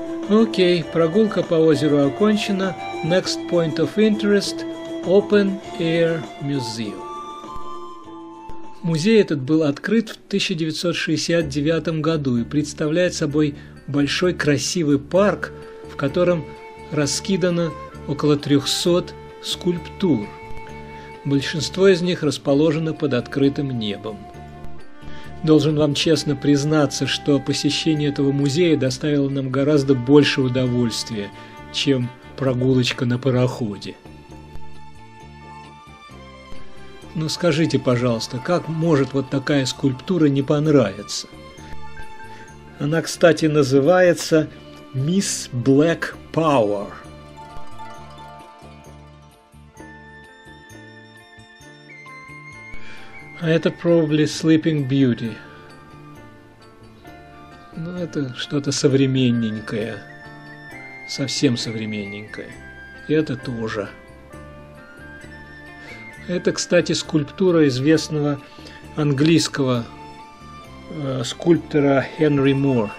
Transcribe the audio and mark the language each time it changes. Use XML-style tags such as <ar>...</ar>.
<ru>Окей, прогулка по озеру окончена.</ru> <en>Next point of interest – Open Air Museum.</en> <ru>Музей этот был открыт в 1969 году и представляет собой большой красивый парк, в котором раскидано около 300 скульптур. Большинство из них расположено под открытым небом. Должен вам честно признаться, что посещение этого музея доставило нам гораздо больше удовольствия, чем прогулочка на пароходе. Ну скажите, пожалуйста, как может вот такая скульптура не понравиться? Она, кстати, называется «Miss Black Power». А это probably Sleeping Beauty. Ну, это что-то современненькое. Совсем современненькое. И это тоже. Это, кстати, скульптура известного английского скульптора Хенри Мур.</ru>